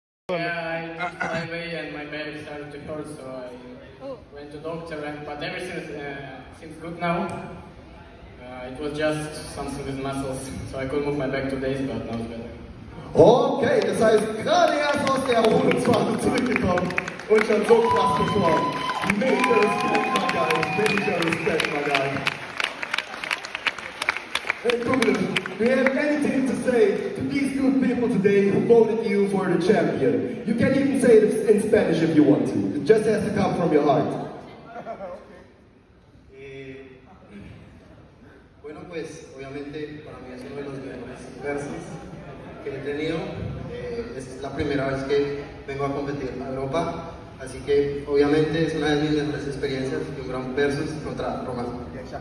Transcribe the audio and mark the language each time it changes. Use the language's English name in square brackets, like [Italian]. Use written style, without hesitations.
[English] Yeah, I lost my way and my belly started to hurt, so I went to the doctor, but everything seems good now. It was just something with muscles, so I couldn't move my back 2 days, but now it's better. [German] Okay, das heißt, gerade erst aus der Erholungsphase zurückgekommen und schon so krass geschworen. [English] Major Respekt, my guy. Major Respekt, my guy. Hey, Cubillos, do you have anything to say to these good people today who voted you for the champion? You can even say it in Spanish if you want to. It just has to come from your heart. [Spanish] Bueno, pues, obviamente, para mí es uno de los mejores versos que he tenido. Es la primera vez que vengo a competir en Europa, así que obviamente es una de mis mejores experiencias y un gran versus contra Romashka.